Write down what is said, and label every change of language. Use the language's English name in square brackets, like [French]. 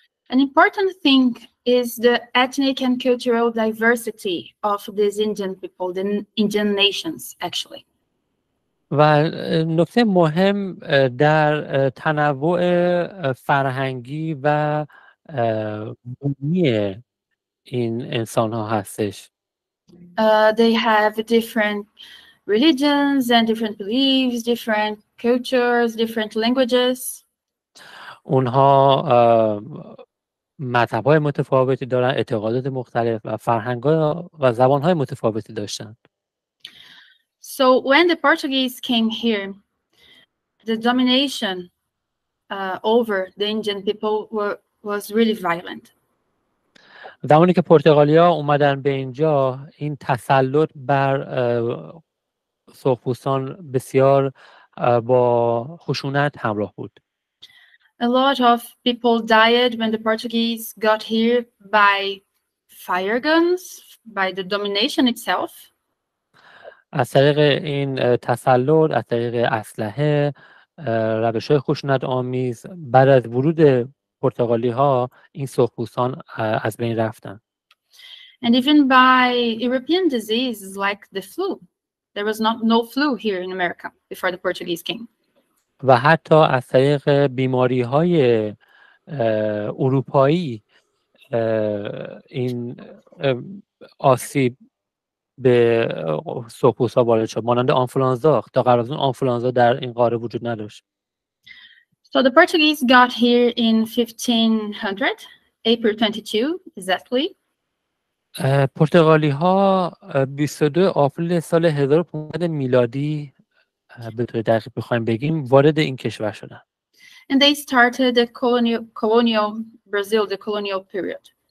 [English] An important thing is the ethnic and cultural diversity of these Indian people, the Indian nations, actually. [Persian] و نکته مهم در تنوع فرهنگی و بومی این انسان‌ها هستش. [English] They have different religions and different beliefs, different cultures, different languages. [Persian] اونها مذهب‌های متفاوتی دارن، اعتقادات مختلف و فرهنگ‌ها و زبان‌های متفاوتی داشتن. [English] So when the Portuguese came here, the domination over the Indian people was really violent. [Persian] زمانی که پرتغالیا اومدن به اینجا این تسلط بر سرخپوستان بسیار با خشونت همراه بود. [English] A lot of people died when the Portuguese got here by fire guns, by the domination itself. [Persian] از طریق این تسلط، از طریق اسلحه، روش‌های خشونت آمیز بعد از ورود پرتغالی ها این سرخپوستان از بین رفتن. [English] And even by European diseases like the flu, there was no flu here in America before the Portuguese came. [Persian] و حتی از طریق بیماری های اروپایی این آسیب به سرخپوستان وارد شد، مانند آنفولانزا. تا قبل از اون آنفولانزا در این قاره وجود نداشت. [English] So the Portuguese got here in 1500, April 22, exactly. [Persian] پرتغالی ها 22 آفریل سال 1500 میلادی به طور دقیق بخوایم بگیم وارد این کشور شدن. [English] And they started the colonial Brazil, the colonial period.